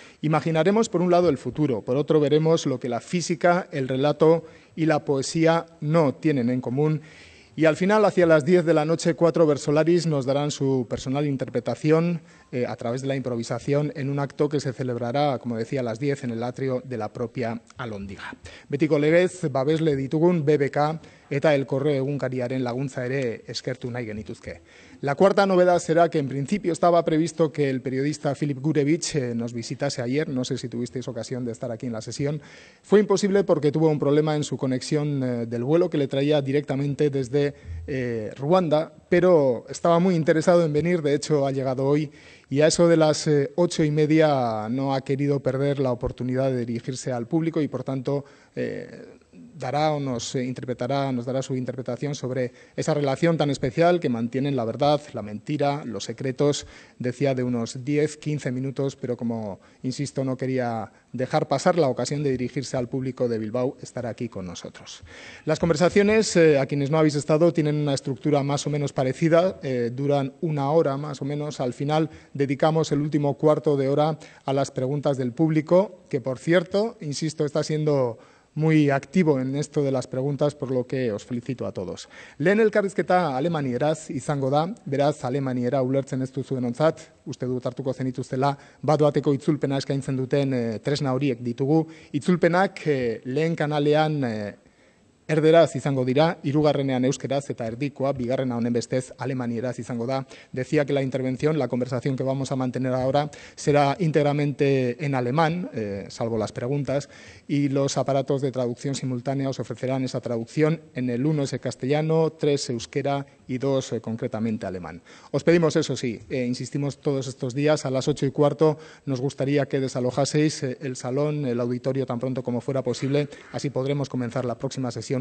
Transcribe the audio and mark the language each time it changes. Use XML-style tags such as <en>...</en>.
<es>Imaginaremos por un lado el futuro, por otro veremos lo que la física, el relato y la poesía no tienen en común. Y al final, hacia las 10 de la noche, cuatro versolaris nos darán su personal interpretación a través de la improvisación en un acto que se celebrará, como decía, a las 10 en el atrio de la propia Alondiga.</es> <eu>Betiko legez, babesle ditugun, BBK, eta el correo egunkariaren laguntza ere eskertu nahi genituzke.</eu> <es>La cuarta novedad será que en principio estaba previsto que el periodista Filip Gurevich nos visitase ayer, no sé si tuvisteis ocasión de estar aquí en la sesión. Fue imposible porque tuvo un problema en su conexión del vuelo que le traía directamente desde Ruanda, pero estaba muy interesado en venir, de hecho ha llegado hoy y a eso de las 8:30 no ha querido perder la oportunidad de dirigirse al público y por tanto nos dará su interpretación sobre esa relación tan especial que mantienen la verdad, la mentira, los secretos, decía de unos 10-15 minutos, pero como insisto, no quería dejar pasar la ocasión de dirigirse al público de Bilbao, estar aquí con nosotros. Las conversaciones, a quienes no habéis estado, tienen una estructura más o menos parecida, duran una hora más o menos. Al final dedicamos el último cuarto de hora a las preguntas del público, que por cierto, insisto, está siendo muy activo en esto de las preguntas, por lo que os felicito a todos.</es> <eu>Lehen elkarrizketa alemanieraz izango da, beraz alemaniera ulertzen ez duzuenontzat, uste dut hartuko zenituztela, bat bateko itzulpena eskaintzen duten tresna horiek ditugu. Itzulpenak lehen kanalean erderaz izango dira, hirugarrenean euskeraz eta erdikoa, bigarrena honen bestez alemanieraz izango da.</eu> <es>Decía que la intervención, la conversación que vamos a mantener ahora, será íntegramente en alemán, salvo las preguntas, y los aparatos de traducción simultánea os ofrecerán esa traducción. En el 1 es el castellano, 3 euskera y 2 concretamente alemán. Os pedimos eso sí, insistimos todos estos días, a las 8:15 nos gustaría que desalojaseis el salón, el auditorio tan pronto como fuera posible, así podremos comenzar la próxima sesión</es>